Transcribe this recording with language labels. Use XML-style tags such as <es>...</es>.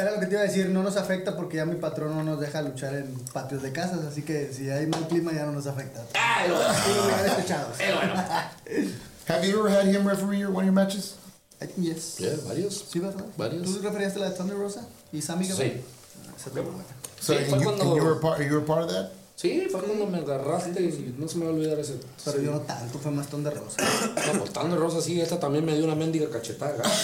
<es>Era lo que te iba a decir, no nos afecta porque ya mi patrón no nos deja luchar en patios de casas, así que si hay mal clima ya no nos afecta.</es> <en>Have you ever had him referee one of your matches? I think yes. Yeah,</en> <es>varios. Sí, ¿verdad? Varios. ¿Tú referías a la de Thunder Rosa y Sammy Guevara? Sí.</es> <en>So, sí, you were part of that?</en> <es>Sí, fue cuando me agarraste y no se me va a olvidar ese. Pero sí. Yo no tanto, fue más Ton de Rosa. No, pues Ton de Rosa sí, esta también me dio una mendiga cachetada.</es>